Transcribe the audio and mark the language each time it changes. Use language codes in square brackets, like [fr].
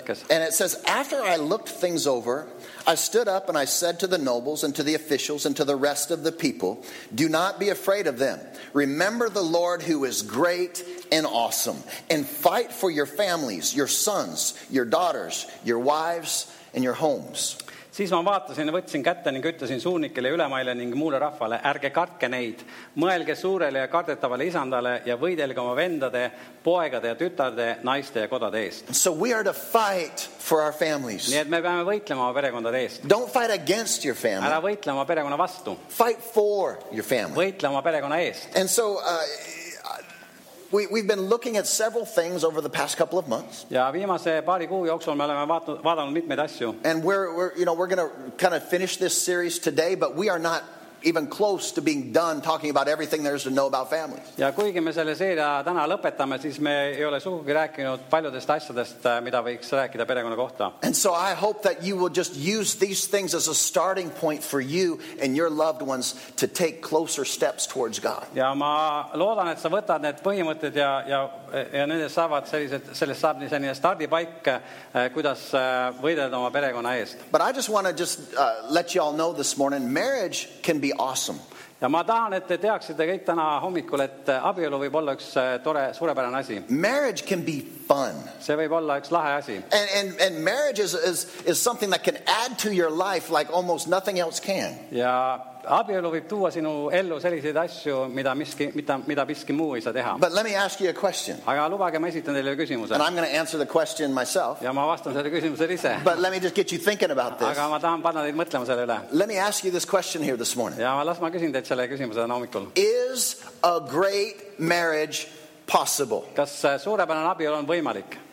[en] And it says, after I looked things over, I stood up and I said to the nobles and to the officials and to the rest of the people, do not be afraid of them. Remember the Lord who is great and awesome, and fight for your families, your sons, your daughters, your wives, and your homes. [et] Siis ma vaatasin ja võtsin kätte ning ütlesin suunnikele ülemaile ning muule rahvale, ärge kartke neid, mõelge suurele ja kardetavale isandale ja võidelge oma vendade, poegade ja tütarde, naiste ja kodade eest. [en] So we are to fight for our families. [et] Nii et me peame võitlema oma perekondade eest. [en] Don't fight against your family. [et] Ära võitle oma perekonna vastu. [en] Fight for your family. [et] Võitle oma perekonna eest. [en] And so we've been looking at several things over the past couple of months. [et] Ja viimase paari kuu jooksul me oleme vaadanud mitmeid asju. [en] And we're going to kind of finish this series today, but we are not even close to being done talking about everything there is to know about families. [et] Ja kuigi me selle seeria täna lõpetame, siis me ei ole sugugi rääkinud paljudest asjadest, mida võiks rääkida perekonna kohta. [en] And so I hope that you will just use these things as a starting point for you and your loved ones to take closer steps towards God. [et] Ja ma loodan, et sa võtad need põhimõtted ja nende saavad sellised, sellest saab nii selline stardipaik, kuidas võidelda oma perekonna eest. [en] But I just want to just let you all know this morning, marriage can be awesome. [et] Ja ma tahan, et te teaksite kõik täna hommikul, et abielu võib olla üks tore, suurepärane asi. [en] Marriage can be fun. [et] See võib olla üks lahe asi. [en] And marriage is something that can add to your life like almost nothing else can. [et] Ja abielu võib tuua sinu ellu selliseid asju, mida miski muu ei saa teha. [en] But let me ask you a question. [et] Aga lubage, ma esitan teile küsimuse. [en] And I'm going to answer the question myself. [et] Ja ma vastan selle küsimuse ise. [en] But let me just get you thinking about this. [et] Aga ma tahan panna teid mõtlema selle üle. [en] Let me ask you this question here this morning. [et] Ja las ma küsin teid selle küsimuse täna hommikul. [en] Is a great marriage possible? [et] Kas suurepärane abielu on võimalik?